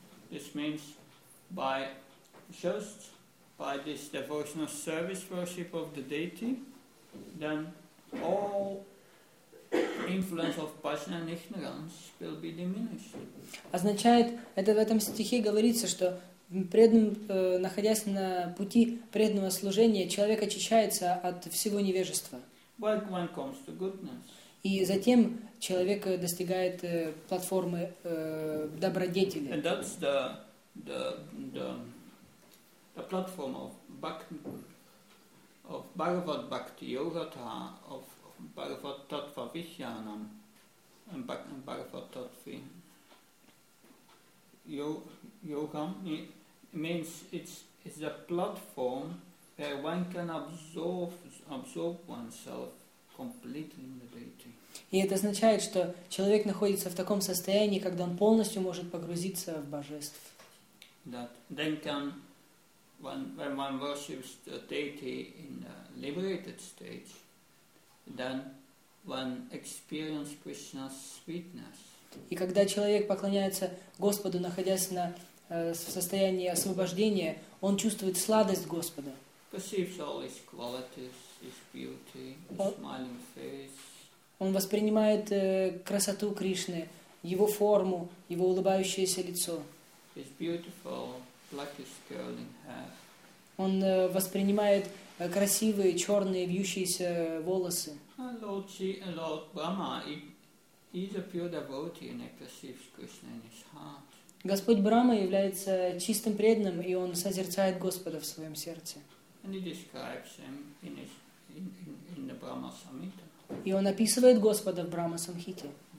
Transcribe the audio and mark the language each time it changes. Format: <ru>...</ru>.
<en>This means by this devotional service worship of the deity, then all influence of passion and ignorance will be diminished.</en> <ru>Означает, это в этом стихе говорится, что преданным, находясь на пути преданного служения, человек очищается от всего невежества.</ru> <en>One comes to goodness.</en> <ru>И затем человек достигает платформы добродетели.</ru> <en>And that's the platform of Bhagavad Bhakti Yoga, of Bhagavad Tattva Vishyanam, and Bhagavad Tattva Yoga means it's a platform where one can absorb oneself completely in the deity.</en> <ru>И это означает, что человек находится в таком состоянии, когда он полностью может погрузиться в божество.</ru> <en>That then can, when one worships the deity in a liberated state, then one experiences Krishna's sweetness.</en> <ru>И когда человек поклоняется Господу, находясь на в состоянии освобождения, он чувствует сладость Господа.</ru> <en>Perceives all his qualities, his beauty, his smiling face.</en> <ru>Он воспринимает красоту Кришны, его форму, его улыбающееся лицо.</ru> <en>His beautiful, blackish curling hair.</en> <ru>Он воспринимает красивые черные вьющиеся волосы.</ru> <en>Lord Brahma, he is a pure devotee and he perceives Krishna in his heart.</en> <ru>Господь Брама является чистым преданным, и он созерцает Господа в своем сердце.</ru> <en>And he describes him in the Brahma Samhita.</en> <ru>И он описывает Господа в Брахма Самхите.</ru>